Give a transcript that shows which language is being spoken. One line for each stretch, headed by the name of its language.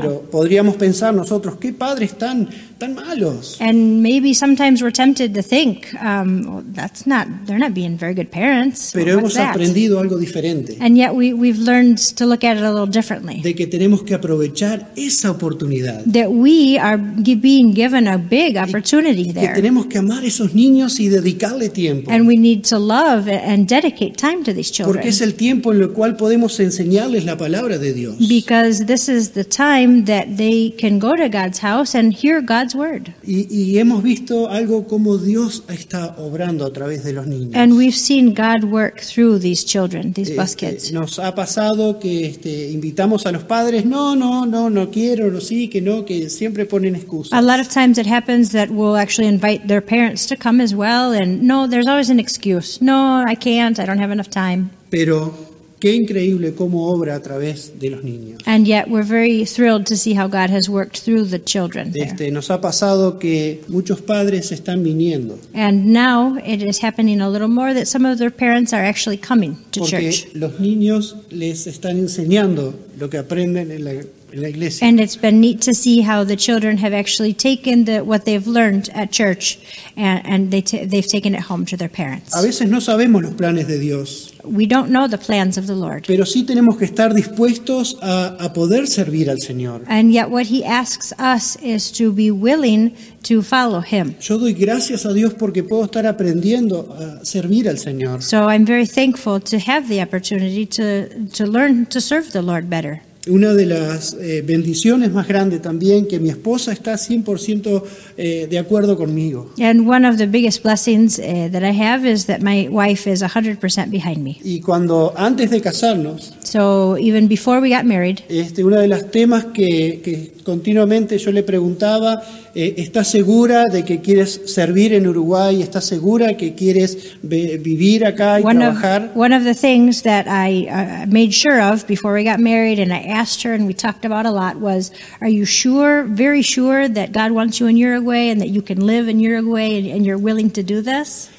Spanish: Pero podríamos pensar nosotros, ¿qué padres tan malos?
English: And maybe sometimes we're tempted to think, they're not being very good parents.
Spanish: Pero hemos aprendido algo diferente.
English: And yet we've learned to look at it a little differently.
Spanish: De que tenemos que aprovechar esa oportunidad.
English: That we are being given a big opportunity there.
Spanish: Que tenemos que amar esos niños y dedicarle tiempo.
English: And we need to love and dedicate time to these children.
Spanish: Porque es el tiempo en lo cual podemos enseñarles la palabra de Dios.
English: Because this is the time that they can go to God's house and hear God's word.
Spanish: Y hemos visto algo como Dios está obrando a través de los niños.
English: And we've seen God work through these children, these bus kids.
Spanish: Nos ha pasado que invitamos a los padres, no quiero, no sí, que no, que siempre ponen excusas.
English: A lot of times it happens that we'll actually invite their parents to come as well, and no, there's always an excuse. No, I can't, I don't have enough time.
Spanish: Pero Qué increíble cómo obra a través de los niños.
English: And yet we're very thrilled to see how God has worked through the children.
Spanish: Nos ha pasado que muchos padres están viniendo.
English: And now it is happening a little more that some of their parents are actually coming to church.
Spanish: Porque los niños les están enseñando lo que aprenden en la
English: And it's been neat to see how the children have actually taken the what they've learned at church, and they've taken it home to their parents.
Spanish: A veces no sabemos los planes de Dios.
English: We don't know the plans of the Lord.
Spanish: Pero sí tenemos que estar dispuestos a poder servir al Señor.
English: And yet, what He asks us is to be willing to follow Him.
Spanish: Yo doy gracias a Dios porque puedo estar aprendiendo a servir al Señor.
English: So I'm very thankful to have the opportunity to learn to serve the Lord better.
Spanish: Una de las bendiciones más grandes también que mi esposa está 100% de acuerdo conmigo.
English: And one of the biggest blessings that I have is that my wife is 100% behind me.
Spanish: Y cuando antes de casarnos,
English: so even before we got married,
Spanish: uno de los temas que continuamente yo le preguntaba, ¿estás segura de que quieres servir en Uruguay? ¿Estás segura que quieres vivir acá y trabajar?
English: One of the things that I made sure of before we got married and I asked her and we talked about a lot was, are you sure, very sure that God wants you in Uruguay and that you can live in Uruguay and you're willing to do this?